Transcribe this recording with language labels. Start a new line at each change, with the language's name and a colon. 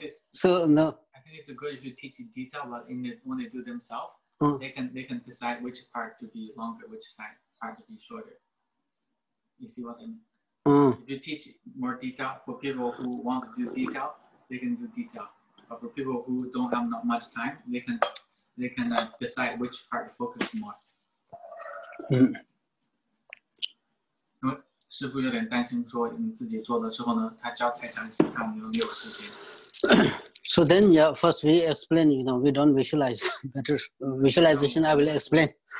English: it's good if you teach in detail, but when they do themselves, they can decide which part to be longer, which side part to be shorter. You see what I mean? If you teach more detail, for people who want to do detail, they can do detail. But for people who don't have not much time, they can decide which part to focus more. Mm.
Chinese: 师父有点担心说你自己做了之后呢，他教太详细，他没有时间。
English: So then, yeah, first we explain, you know, we don't visualize, but visualization I will explain.